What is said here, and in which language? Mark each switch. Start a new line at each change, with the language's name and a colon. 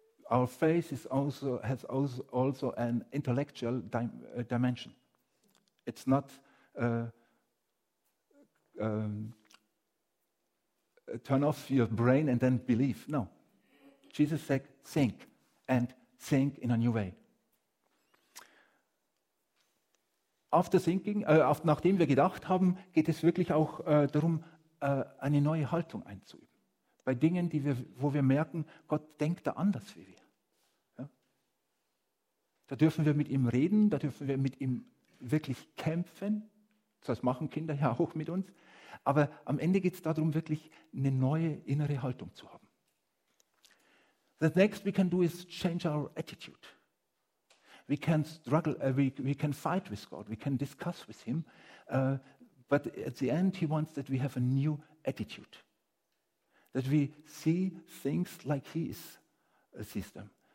English: Our faith is also has an intellectual dimension. It's not turn off your brain and then believe. No. Jesus said, think, and think in a new way. After thinking,
German: nachdem wir gedacht haben, geht es wirklich auch darum, eine neue Haltung einzuüben. Bei Dingen, wo wir merken, Gott denkt da anders wie wir. Ja? Da dürfen wir mit ihm reden, da dürfen wir mit ihm wirklich kämpfen. Das machen Kinder ja auch mit uns. Aber am Ende geht es darum, wirklich eine neue innere Haltung zu haben.
English: The next we can do is change our attitude. We can struggle, we can fight with God, we can discuss with him. But at the end, he wants that we have a new attitude. That we see things like he is a system.